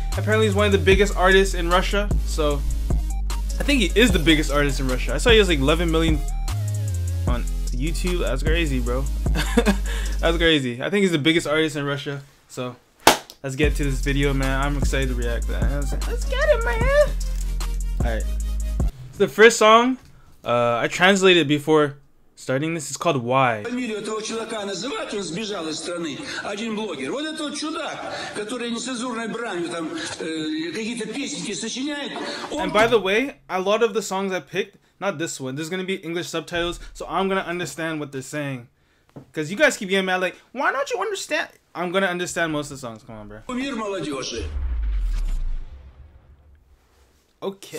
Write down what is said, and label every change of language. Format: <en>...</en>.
<en>Apparently, he's one of the biggest artists in Russia. So, I think he is the biggest artist in Russia. I saw he has, like, 11 million on YouTube. That's crazy, bro. That's crazy. I think he's the biggest artist in Russia. So, let's get to this video, man. I'm excited to react to that. Let's get it, man. All right. So the first song, I translated before starting this. It's called Why.</en> <ru>Фамилию этого чудака называть, он сбежал из страны. Один блогер. Вот этот чудак, который нецензурной бранью там какие-то песенки сочиняет.</ru> <en>And by the way, a lot of the songs I picked, not this one. There's gonna be English subtitles, so I'm gonna understand what they're saying. Cause you guys keep getting mad, like, why don't you understand? I'm gonna understand most of the songs. Come on, bro.</en> <ru>Умер молодежи.</ru> <en>Okay.</en>